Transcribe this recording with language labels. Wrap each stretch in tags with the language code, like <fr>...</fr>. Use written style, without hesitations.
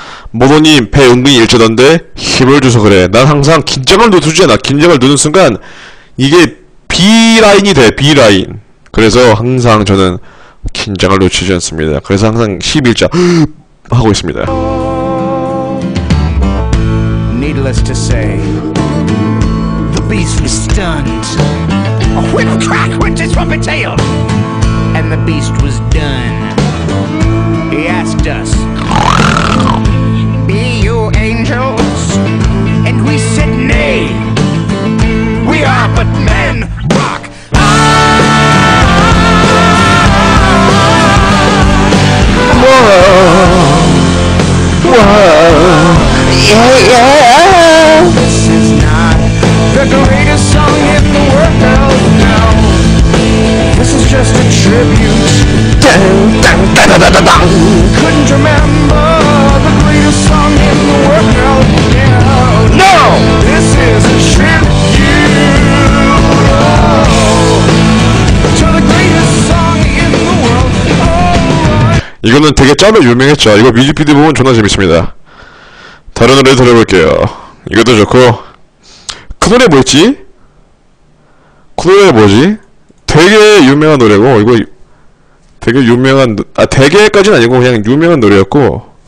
<ko>모모님 배 은근히 일주던데 힘을 줘서 그래. 난 항상 긴장을 놓두지 않아. 긴장을 놓는 순간 이게 B라인이 돼. B라인. 그래서 항상 저는 긴장을 놓치지 않습니다. 그래서 항상 11자 하고 있습니다.</ko> <en>Needless to say, the beast was stunned. A whip crack went his rumpet tail, and the beast was done. He asked us, be you angels? And we said nay, we are but men. Rock. Whoa. Whoa. Yeah, yeah. This is not the greatest song in the world. No, this is just a tribute. Dang, dang, dang, dang, dang, dang. Couldn't remember the greatest song in the world. No, no, no. This is a tribute, oh, to the greatest song in the world. Oh, right.</en> <ko>이거는 되게 짧아 유명했죠. 이거 뮤직비디오 보면 존나 재밌습니다. 다른 노래 들어볼게요. 이것도 좋고. 그 노래 뭐였지? 그 노래 뭐지? 되게 유명한 노래고, 이거 되게 유명한, 아, 되게까지는 아니고, 그냥 유명한 노래였고.</ko>